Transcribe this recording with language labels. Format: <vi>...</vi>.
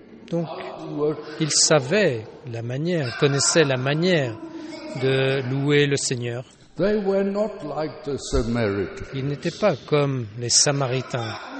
<fr>Donc, ils savaient la manière, connaissaient la manière de louer le Seigneur.</fr> <en>They were not like the Samaritans.</en> <fr>Ils n'étaient pas comme les Samaritains.</fr>